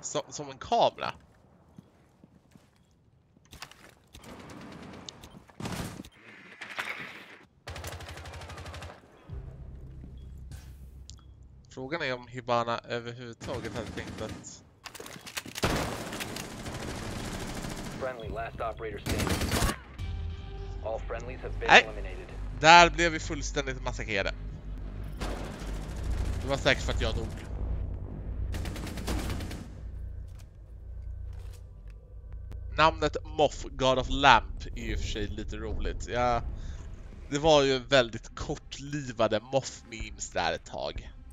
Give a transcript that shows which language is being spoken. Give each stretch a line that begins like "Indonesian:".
Swedish: Som en kamera. Frågan är om Hibana överhuvudtaget hade tänkt att...
English: Friendly, last operator standing. All friendlies have been eliminated.
Swedish: Där blev vi fullständigt massakrerade. Det var säkert för att jag dog. Namnet Moff, God of Lamp, är ju för sig lite roligt. Ja, det var ju väldigt kortlivade Moff-memes där ett tag.